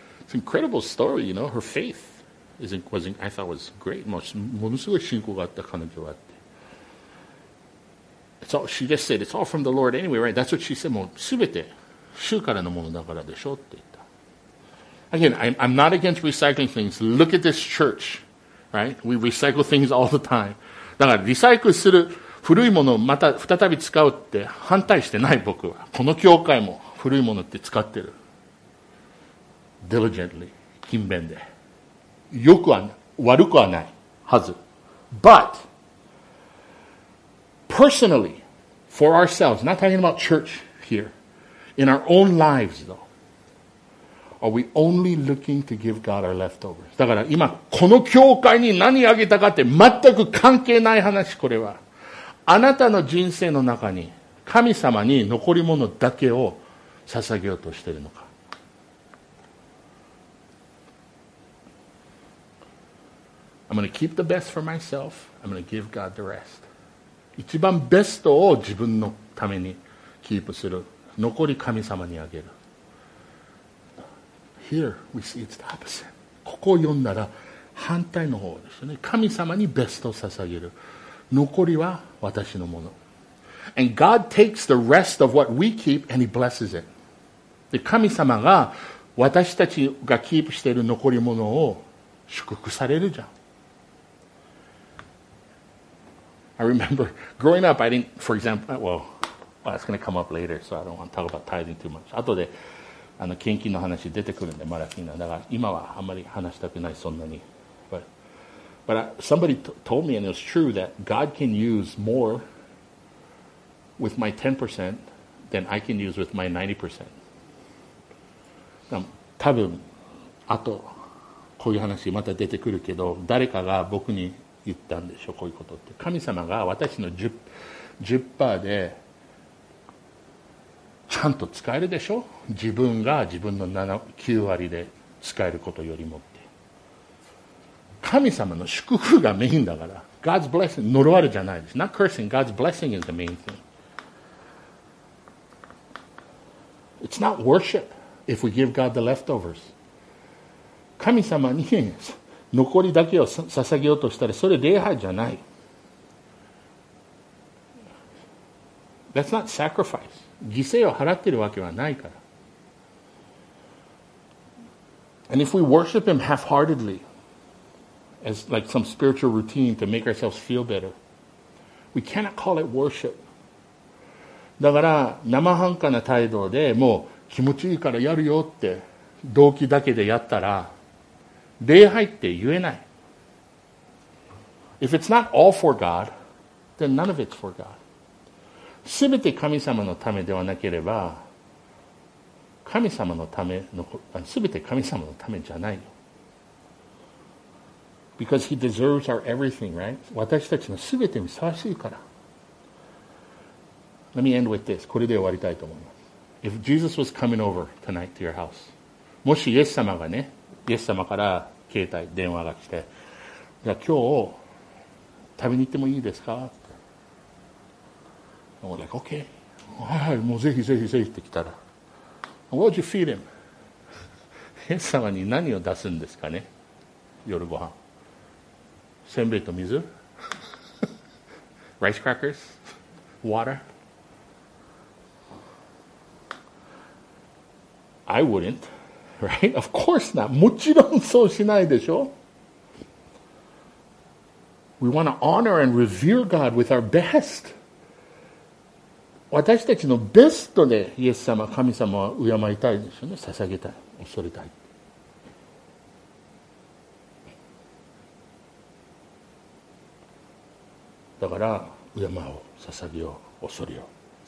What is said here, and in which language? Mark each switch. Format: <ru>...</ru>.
<en>Incredible story, you know. Her faith was great.</en> <ja>ものすごい信仰があった彼女はって。</ja> <en>It's all, she just said it's all from the Lord anyway, right? That's what she said. もう</en> <ja>すべて主からのものだからでしょって言った。</ja> <en>Again, I'm not against recycling things. Look at this church, right? We recycle things all the time.</en> <ja>だからリサイクルする古いものをまた再び使うって反対してない僕は。この教会も古いものって使ってる。 diligently, 勤勉で。良くはない、悪くはないはず。</ja> <en>But, personally, for ourselves, not talking about church here, in our own lives though, are we only looking to give God our leftovers?</en> <ja>だから今、この教会に何あげたかって全く関係ない話、これは。あなたの人生の中に、神様に残り物だけを捧げようとしているのか。</ja> <en>I'm going to keep the best for myself. I'm going to give God the rest.</en> <ja>一番ベストを自分のためにキープする。残り神様にあげる。</ja> <en>Here, we see it's the opposite.</en> <ja>ここを読んだら反対の方ですよね。神様にベストを捧げる。残りは私のもの。</ja> <en>And God takes the rest of what we keep and he blesses it.</en> <ja>で、神様が私たちがキープしている残り物を祝福されるじゃん。</ja> <en>I remember growing up, I didn't, for example, well, well it's going to come up later, so I don't want to talk about tithing too much.</en> <ja>後で、あの、献金の話出てくるんで、まだ金の。だから、今はあんまり話したくない、そんなに。</ja> <en>But somebody told me, and it was true, that God can use more with my 10% than I can use with my 90%.</en> <ja>多分、あと、こういう話また出てくるけど、誰かが僕に、言ったんでしょこういうことって神様が私の 10% でちゃんと使えるでしょ自分が自分の9割で使えることよりもって神様の祝福がメインだから</ja> <en>God's blessing</en> <ja>呪われじゃないです</ja> <en>Not cursing God's blessing is the main thing It's not worship if we give God the leftovers</en> <ja>神様に残りだけを捧げようとしたらそれ礼拝じゃない。</ja> <en>That's not sacrifice.</en> <ja>犠牲を払ってるわけはないから。</ja> <en>And if we worship him half-heartedly, as like some spiritual routine to make ourselves feel better, we cannot call it worship.</en> <ja>だから生半可な態度でもう気持ちいいからやるよって動機だけでやったら礼拝って言えない。</ja> <en>If it's not all for God, then none of it's for God.</en> <ja>すべて神様のためではなければ、神様のためのすべて神様のためじゃない。</ja> <en>Because he deserves our everything, right?</en> <ja>私たちのすべてにふさわしいから。</ja> <en>Let me end with this.</en> <ja>これで終わりたいと思います。</ja> <en>If Jesus was coming over tonight to your house,</en> <ja>もしイエス様がね、イエス様から携帯電話が来て、じゃあ今日食べに行ってもいいですか？って。俺、like, okay、はいもうぜひぜひぜひって来たら、</ja> <en>What would you feed him？</en> <ja>イエス様に何を出すんですかね？夜ご飯、せんべいと水、</ja> <en>Rice crackers、Water。 I wouldn't。 Right? Of course not.</en> <ja>もちろんそうしないでしょ?</ja> <en>We want to honor and revere God with our best.</en> <ja>私たちのベストでイエス様、神様は敬いたいですよね。捧げたい、恐れたい。だから敬おう、捧げよう、恐れよう。</ja>